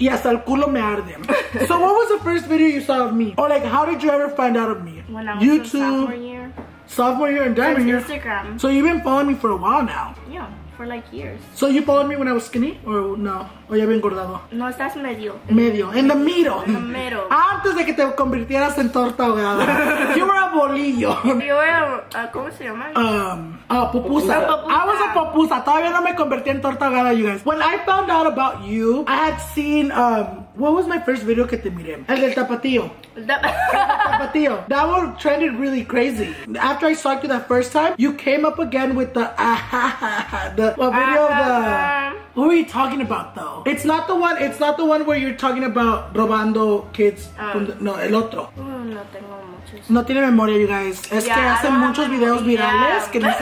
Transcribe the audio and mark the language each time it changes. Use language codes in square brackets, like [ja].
[es] Y hasta el culo me arde. [en] So what was the first video you saw of me? Or like, how did you ever find out of me? When I was YouTube, sophomore year and diamond year. Instagram. So you've been following me for a while now. Yeah. For like years. So you followed me when I was skinny or no? [es] O ya había engordado. No, estás medio. Medio. [en] In the middle. In the middle. [es] Antes de que te convirtieras en torta ahogada. [en] You were a bolillo. [es] Yo era, ¿cómo se llama? Pupusa. No, pupusa. [en] I was a pupusa. [es] Todavía no me convertí en torta ahogada, [en] you guys. When I found out about you, I had seen, what was my first video [es] que te miré? El del tapatío. [en] Tapatío. That one trended really crazy. After I saw you that first time, you came up again with the video of the... Who are you talking about, though? It's not the one where you're talking about [es] robando [en] kids from the... [es] No, el otro. No, no tengo muchos. No tiene memoria, [en] you guys. [es] Es que hace muchos videos virales que no se